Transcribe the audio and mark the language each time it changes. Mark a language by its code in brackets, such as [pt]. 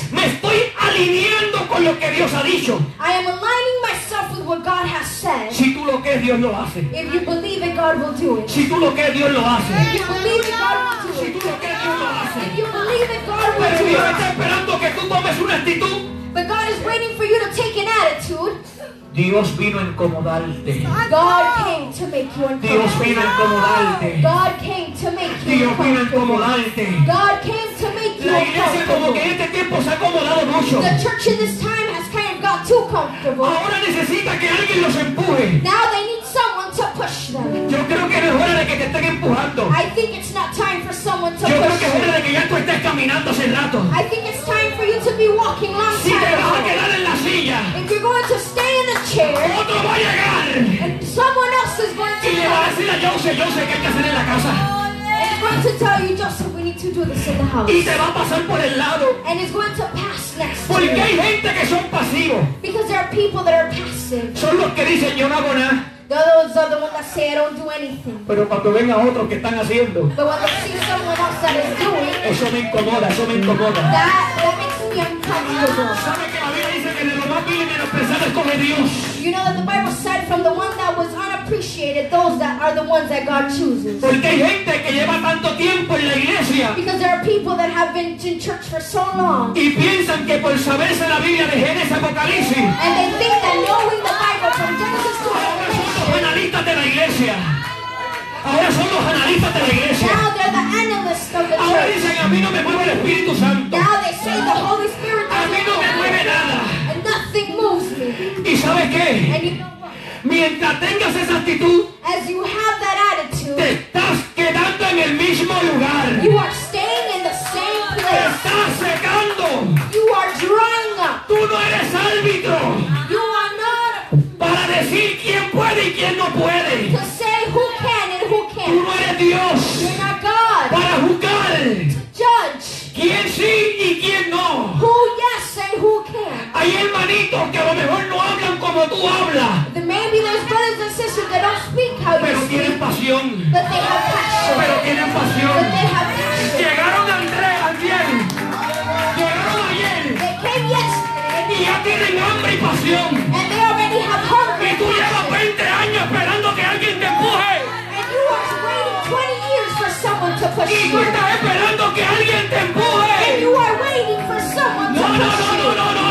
[es] me estoy alineando con lo que Dios ha dicho. [en] I am aligning myself with what God has said. [es] Si tú lo crees, Dios lo hace. [en] If you believe it, God will do it. [es] Si tú lo crees, Dios lo hace. [en] If you believe it, God will do it. [es] Si tú lo crees, Dios lo hace. [en] If you believe it, God will [es] Pero Dios está esperando que tú tomes una actitud. [en] But God is waiting for you to take an attitude. [es] Dios vino a incomodarte. [en] God came to make you uncomfortable. [es] Dios vino a incomodarte. [en] God came to make you [es] Dios vino a incomodarte. [en] God came to make you uncomfortable. [es] La iglesia como que este tiempo se ha acomodado mucho. [en] The church in this time has kind of got too comfortable. [es] Ahora necesita que alguien los empuje. [en] Now they need someone to push them. [es] Yo creo que es hora de que te estén empujando. [en] I think it's not time for someone to [es] yo yo creo que es hora de que ya tú estés caminando hace rato. [en] I think it's time for you to be walking long [es] si [en] time. [es] Si te vas a quedar en la silla. [en] If you're going to stay in the chair, and someone else is going to tell you, going to tell you, Joseph, we need to do this in the house. [es] Y te va a pasar por el lado. [en] And it's going to pass next to you. [es] Porque hay gente que son pasivos. [en] Because there are people that are passive. [es] Son los que dicen, yo no hago nada. [en] Those are the ones that say I don't do anything. [es] Pero cuando ven a otros que están haciendo, [en] but when they see someone else that is doing, [es] eso me incomoda, eso me incomoda. [en] That makes me uncomfortable. You know that the Bible said from the one that was unappreciated, those that are the ones that God chooses. [es] Porque hay gente que lleva tanto tiempo en la iglesia, [en] because there are people that have been in church for so long, [es] y piensan que por saberse la Biblia de Génesis Apocalipsis, [en] and they think that knowing the Bible from Genesis to Apocalipsis, [es] analistas de la iglesia, Ahora son los analistas de la iglesia. [en] Now they're the analysts of the church. [es] Ahora dicen, a mí no me mueve el Espíritu Santo. [en] Now they say the Holy Spirit. [es] A mí no me mueve nada. [en] And nothing moves me. [es] ¿Y sabes qué? [en] And you know what? [es] Mientras tengas esa actitud, [en] as you have that attitude, [es] te estás quedando en el mismo lugar. [en] You are staying in the same place. [es] Te estás secando. [en] You are drying up. [es] Tú no eres árbitro. [en] You are not a... [es] para decir quién puede y quién no puede. [en] To say who can and who can't. [es] Tú no eres Dios. [en] You're not God. [es] Para juzgar. [en] To judge. [es] ¿Quién sí y quién no? [en] Who yes and who can? [es] Hay hermanitos que a lo mejor no hablan como tú hablas. [en] Maybe there's brothers and sisters that don't speak how you [es] pero [en] speak. [es] Pero tienen pasión. [en] But they have passion. [es] Pero tienen pasión. [en] But they have passion. [es] Llegaron Andrés al bien. Llegaron ayer. [en] They came yesterday. [es] Y ya tienen hambre y pasión. [en] And they already have hunger. [es] Y tú llevas 20 años esperando que alguien te empuje. [en] And you are waiting 20 years for someone to push you. [es] Y tú estás esperando que alguien te empuje. [en] And you are waiting for someone to push you.